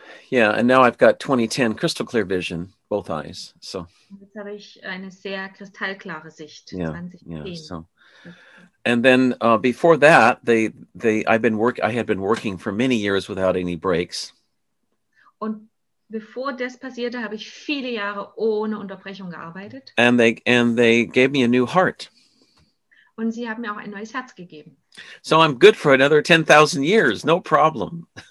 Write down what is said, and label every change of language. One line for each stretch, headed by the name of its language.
English: Yeah, and now I've got 20/10 crystal clear vision, both eyes. So.
German: Jetzt habe ich eine sehr kristallklare Sicht.
English: Yeah. 20/10. Yeah. So. And then before that, I had been working for many years without any breaks.
German: Und Bevor das passierte, habe ich viele Jahre ohne Unterbrechung gearbeitet.
English: And they gave me a new heart.
German: Und sie haben mir auch ein neues Herz gegeben.
English: So I'm good for another 10,000 years, no problem.